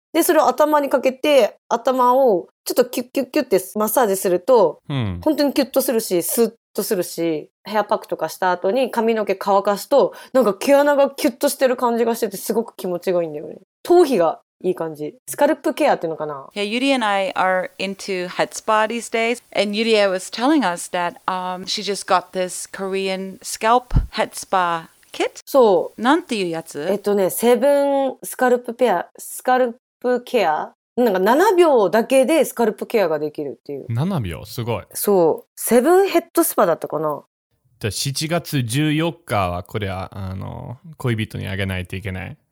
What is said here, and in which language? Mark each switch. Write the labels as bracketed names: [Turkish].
[Japanese] で、それを頭にかけて、頭をちょっとキュッキュッキュッってマッサージすると、本当にキュッとするし、スッとするし、ヘアパックとかした後に髪の毛乾かすと、なんか毛穴がキュッとしてる感じがしてて、すごく気持ちがいいんだよね。頭皮がいい感じ。スカルプケアっていうのかな？ [English] Yeah, Yurie and I are into head spa these days. And Yurie was telling us that, she just got this Korean scalp head spa. Kit? [Japanese] そう。なんていうやつ？ね、セブンスカルプペア、スカルプケア？なんか7秒だけでスカルプケアができるっていう。 7秒？すごい。そう。セブンヘッドスパだったかな？じゃあ7月14日はこれはあの恋人にあげないといけない。